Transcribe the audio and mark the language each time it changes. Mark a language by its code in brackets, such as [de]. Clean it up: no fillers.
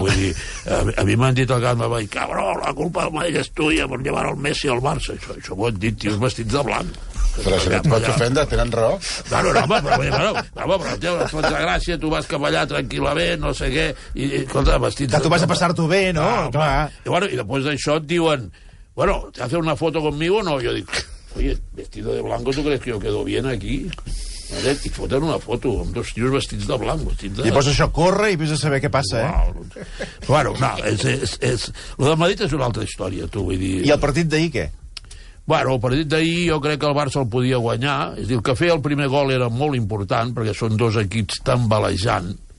[ca] Vull dir, a mi m'han dit al camp, va dir, cabró, la culpa del Madrid és tuia per llevar el Messi al Barça, això m'ho han dit, tios vestits de blanc. Però si et pots ofendre, tenen raó. No, home, però et fots de gràcia, tu vas cap allà tranquil·lament, no sé què, i escolta, vestits de blanc. Tu vas a passar-t'ho bé, no? Clar. I després d'això et diuen, [es] bueno, ¿te haces una foto conmigo o no? [ca] Jo dic, [es] oye, vestido de blanco, ¿tú crees que yo quedo bien aquí? [ca] I foten una foto amb dos tios vestits de blanc. Vestits de... I posa això a córrer i vés a saber què passa, eh? Bueno, no, és... Lo de Madrid és una altra història, tu, vull dir... I el partit d'ahir, què? Bueno, el partit d'ahir jo crec que el Barça el podia guanyar. És a dir, el que feia el primer gol era molt important, perquè són dos equips tambalejant.